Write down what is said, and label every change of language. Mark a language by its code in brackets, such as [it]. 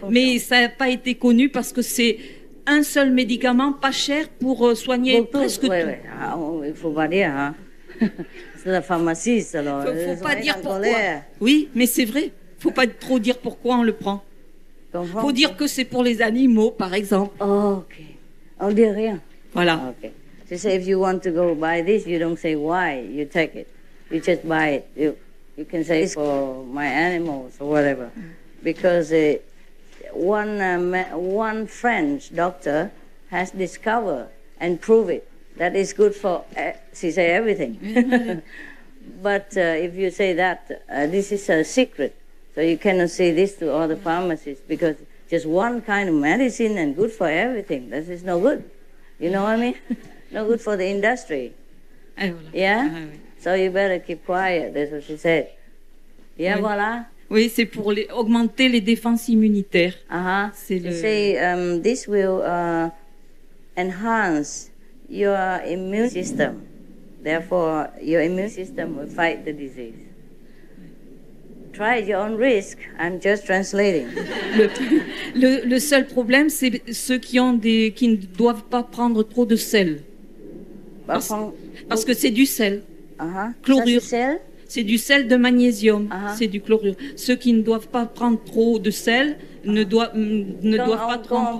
[fr] mais ça n'a pas été connu parce que c'est un seul médicament, pas cher, pour soigner pour presque tout. Oui. Ah, il faut pas dire. Hein. La pharmaciste, alors. Il ne faut pas dire pourquoi. Colère. Oui, mais c'est vrai. Il ne faut pas trop dire pourquoi on le prend. Il faut dire que c'est pour les animaux, par exemple. Oh, OK. On ne dit rien. Voilà. OK. [en] She said, if you want to go buy this, you don't say why, you take it. You just buy it. You can say it's for my animals or whatever. Because one French doctor has discovered and proved it. That is good for, she say everything. But if you say that, this is a secret. So you cannot say this to all the pharmacists because just one kind of medicine and good for everything. This is no good. You know what I mean? No good for the industry. Yeah? So you better keep quiet. That's what she said. Yeah, [fr] oui. Voilà. Oui, c'est pour augmenter les défenses immunitaires. Uh-huh. C'est [en] you [fr] le... [en] say this will enhance your immune system. Therefore, your immune system will fight the disease. Try at your own risk. I'm just translating. [fr] Le seul problème, c'est ceux qui ne doivent pas prendre trop de sel. Parce que c'est du sel. Uh-huh. Chlorure. Ça, c'est sel? C'est du sel de magnésium. Uh-huh. C'est du chlorure. Ceux qui ne doivent pas prendre trop de sel ne doivent pas trop en prendre.